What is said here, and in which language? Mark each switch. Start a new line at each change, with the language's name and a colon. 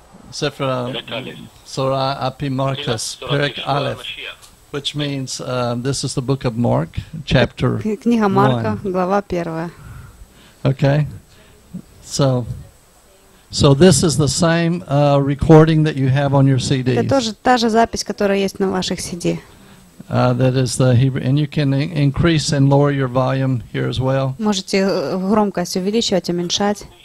Hebrew: Sefer HaPsorah Api Marcos, Perek Aleph,
English: which means this is the book of Mark, chapter 1.
Russian: Книга Марка, глава первая.
English: Okay, so this is the same recording that you have on your CDs.
Russian: Это тоже та же запись, которая есть на ваших CD.
English: That is the Hebrew, and you can increase and lower your volume here as well.
Russian: Можете громкость увеличивать, уменьшать.